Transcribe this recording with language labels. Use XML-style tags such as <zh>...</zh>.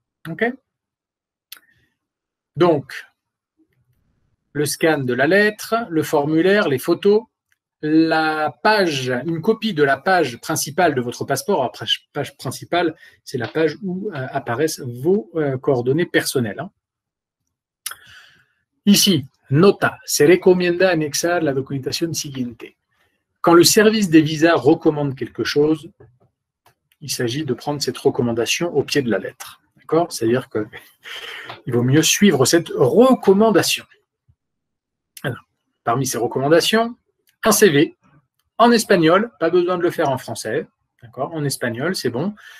<fr>OK ? Donc, le scan de la lettre, le formulaire, les photos, la page, une copie de la page principale de votre passeport. Après, page principale, c'est la page où apparaissent vos coordonnées personnelles.</fr> <es>Ici, nota, se recomienda anexar la documentación siguiente.</es> <fr>Quand le service des visas recommande quelque chose, il s'agit de prendre cette recommandation au pied de la lettre. D'accord ? C'est-à-dire qu'il vaut mieux suivre cette recommandation. Parmi ces recommandations, un CV en espagnol, pas besoin de le faire en français, d'accord, en espagnol, c'est bon.</fr>